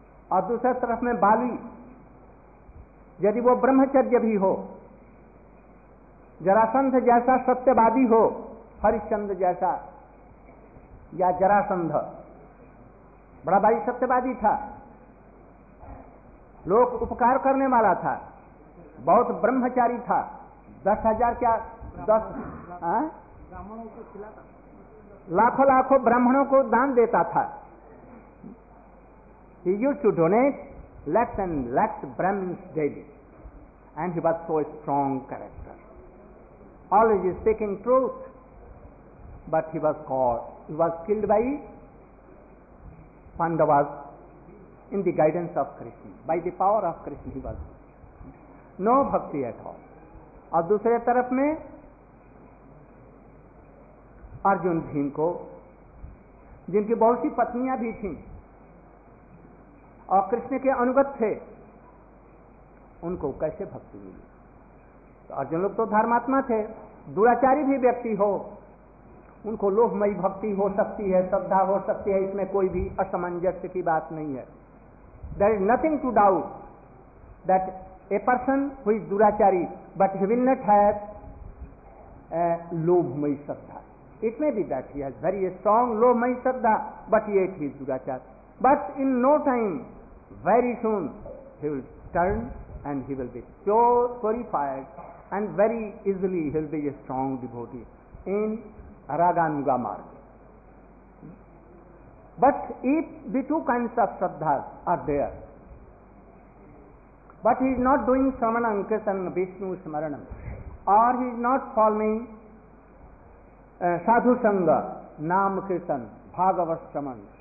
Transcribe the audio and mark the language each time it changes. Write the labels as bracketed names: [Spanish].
[Hindi] और दूसरे तरफ में बाली यदि वो ब्रह्मचर्य भी हो, जरासंध जैसा सत्यवादी हो, हरिश्चंद जैसा या जरासंध, बड़ा भाई सत्यवादी था, लोक उपकार करने वाला था, बहुत ब्रह्मचारी था, 10,000 क्या 10 ब्राह्मणों को खिलाता, लाखों लाखों ब्राह्मणों को दान देता था। [English] He used to donate lakhs and lakhs Brahmins daily, and he was so strong character. Always is speaking truth, but he was caught. He was killed by Pandavas in the guidance of Krishna. By the power of Krishna, he was no bhakti at all. [Hindi] और दूसरे तरफ में अर्जुन भीम को, जिनकी बहुत सी पत्नियां भी थीं और कृष्ण के अनुगत थे, उनको कैसे भक्ति मिली? तो अर्जुन लोग तो धर्मात्मा थे, दुराचारी भी व्यक्ति हो, उनको लोभमयी भक्ति हो सकती है, श्रद्धा हो सकती है, इसमें कोई भी असमंजस्य की बात नहीं है। [English] There is nothing to doubt that a person who is दुराचारी but he will not have a लोभमयी श्रद्धा, it may be that he has very strong लोभमयी श्रद्धा, but he is दुराचारी, but in no time, very soon, he will turn and he will be so purified and very easily he will be a strong devotee in Raganuga Marga. But if the two kinds of Shraddhas are there, but he is not doing Samanam Kirtanam Vishnu Smaranam, or he is not following Sadhu Sangha, Nam Kirtan, Bhagavat Shraman,